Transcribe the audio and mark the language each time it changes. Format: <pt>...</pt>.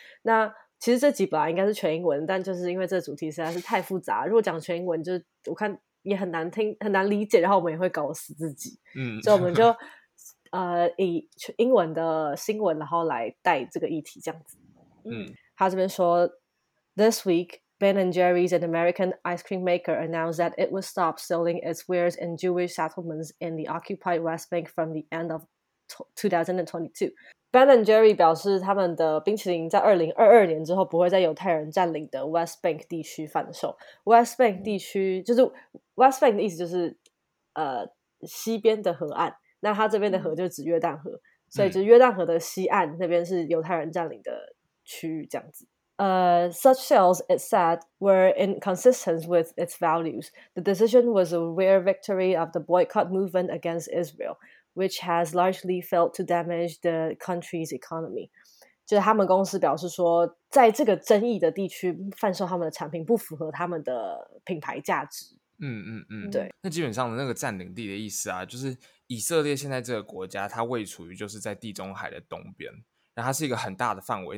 <zh>那其实这集本来应该是全英文，但就是因为这主题实在是太复杂，如果讲全英文就我看也很难听，很难理解，然后我们也会搞死自己。嗯，所以我们就以英文的新闻然后来带这个议题这样子。嗯，他这边说</zh> <en>This week Ben and Jerry's an American ice cream maker announced that it would stop selling its wares in Jewish settlements in the occupied West Bank from the end of 2022.</en> <zh>Ben and Jerry 表示他们的冰淇淋在2022年之后不会在犹太人占领的 West Bank 地区贩售。 West Bank 地区就是 West Bank 的意思就是西边的河岸，那他这边的河就是指约旦河，所以就是约旦河的西岸那边是犹太人占领的区域这样子。</zh> <en>Such sales, it said, were inconsistent with its values. The decision was a rare victory of the boycott movement against Israel, which has largely failed to damage the country's economy.</en> <zh>就是他们公司表示说，在这个争议的地区贩售他们的产品不符合他们的品牌价值。对。那基本上那个占领地的意思啊，就是以色列现在这个国家，它位处于就是在地中海的东边，然后它是一个很大的范围。</zh>